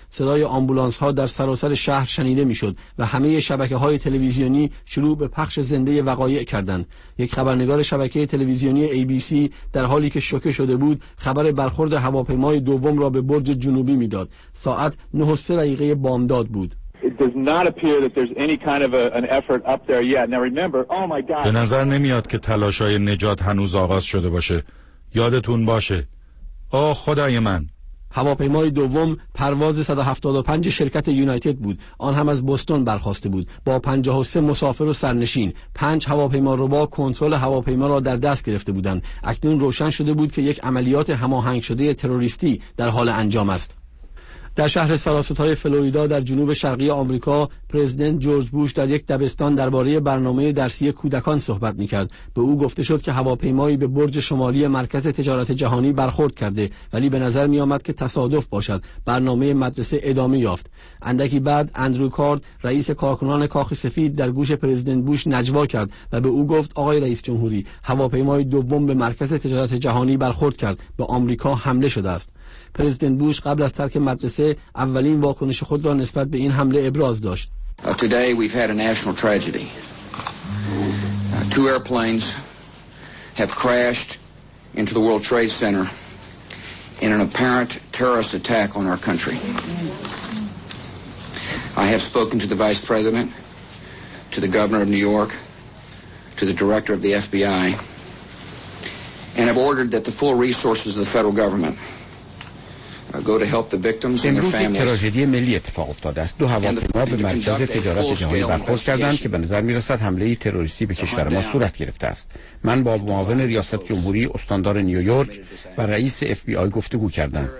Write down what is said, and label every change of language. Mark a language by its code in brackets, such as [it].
[fa] صدای آمبولانس‌ها در سراسر شهر شنیده می‌شد و همه شبکه‌های تلویزیونی شروع به پخش زنده وقایع کردند. یک خبرنگار شبکه تلویزیونی ABC در حالی که شوکه شده بود، خبر برخورد هواپیمای دوم را به برج جنوبی می‌داد. ساعت 9:03 بامداد بود. [en] It does not appear that there's any kind of an effort up there yet. Now remember, oh my god. [fa] به نظر نمیاد که تلاش‌های نجات هنوز آغاز شده باشه. یادتون باشه. آه خدای من. هواپیمای دوم پرواز 175 شرکت یونایتد بود. آن هم از بوستون برخواسته بود با 53 مسافر و سرنشین. 5 هواپیماربا کنترل هواپیما را در دست گرفته بودند. اکنون روشن شده بود که یک عملیات هماهنگ شده تروریستی در حال انجام است. در شهر سراسوتای فلوریدا در جنوب شرقی آمریکا، پرزیدنت جورج بوش در یک دبستان درباره برنامه درسی کودکان صحبت می‌کرد. به او گفته شد که هواپیمایی به برج شمالی مرکز تجارت جهانی برخورد کرده، ولی به نظر می‌آمد که تصادف باشد. برنامه مدرسه ادامه یافت. اندکی بعد اندرو کارد، رئیس کارکنان کاخ سفید، در گوش پرزیدنت بوش نجوا کرد و به او گفت: آقای رئیس جمهوری، هواپیمای دوم به مرکز تجارت جهانی برخورد کرد. به آمریکا حمله شده است. پرزیدنت بوش قبل از ترک مدرسه اولین واکنش خود را نسبت به این حمله ابراز داشت. [en] Today we've had a national tragedy. Two airplanes have crashed into the World Trade Center in an apparent terrorist attack on our country. I have spoken to the vice president, to the governor of New York, to the director of the FBI, and have ordered that the full resources of the federal government [fa] امروز یک تراژدی ملی اتفاق افتاده است. دو هواپیما به مرکز تجارت جهانی برخورد کردند که به نظر می رسد حمله تروریستی به کشور ما صورت گرفته است. من با معاون ریاست جمهوری، استاندار نیویورک و رئیس FBI گفتگو کردم.